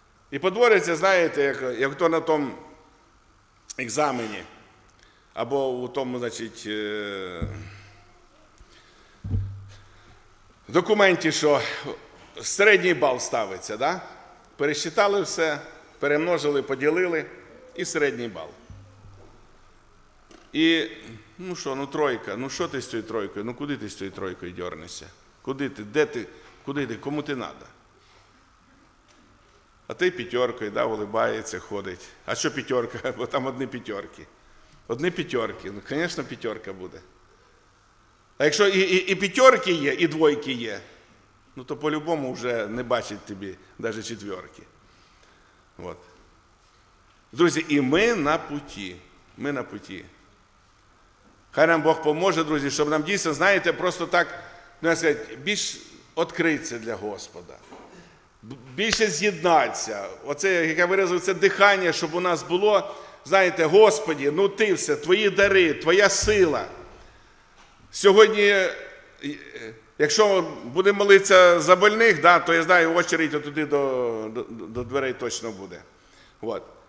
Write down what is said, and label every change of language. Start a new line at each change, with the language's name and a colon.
Ukrainian: І подворяться, знаєте, як то на тому екзамені, або у тому, в документі, що середній бал ставиться, да? Пересчитали все, перемножили, поділили, і середній бал. І, ну що, ну тройка, ну що ти з цією тройкою, ну куди ти з цією тройкою дернешся? Куди ти, де ти, куди ти, кому ти треба?
Russian: А той п'ятерка, да, улыбается, ходит. А что п'ятерка? Вот там одни п'ятерки. Одни п'ятерки. Ну, конечно, п'ятерка будет. А если и п'ятерки есть, и двойки есть, ну то по-любому уже не бачит тебе даже четверки. Вот. Друзья, и мы на пути. Мы на пути. Хай нам Бог поможет, друзья, чтобы нам действительно, знаете, просто так, ну я сказать, больше открыться для Господа.
Ukrainian: Больше з'єднатися. Оце, як я виразив, це дихання, щоб у нас було, знаєте, Господи, ну ти все, твої дари, твоя сила. Сьогодні, якщо будемо молитися за больних, да, то я знаю, очередь отуди до дверей точно буде. Вот.